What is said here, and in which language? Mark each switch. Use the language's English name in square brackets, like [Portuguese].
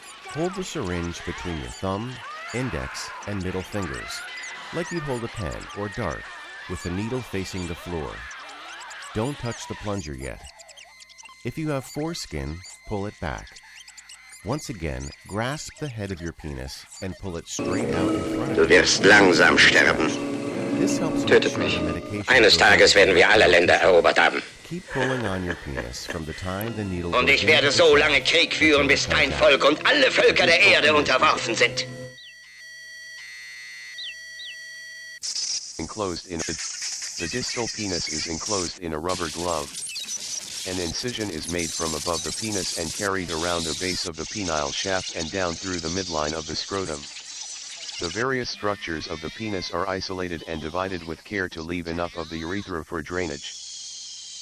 [English] Hold the syringe between your thumb, index, and middle fingers, like you hold a pen or dart, with the needle facing the floor. Don't touch the plunger yet. If you have foreskin, pull it back. Once again, grasp the head of your penis and pull it straight out in front of you. [German] Du wirst langsam sterben. Tötet mich. Eines Tages werden wir alle Länder erobert haben. [English] Keep pulling on your penis from the time the needle... [German] Und ich werde so lange Krieg führen, bis dein Volk und alle Völker der Erde unterworfen sind. [English] Enclosed in a... The distal penis is enclosed in a rubber glove. An incision is made from above the penis and carried around the base of the penile shaft and down through the midline of the scrotum. The various structures of the penis are isolated and divided with care to leave enough of the urethra for drainage.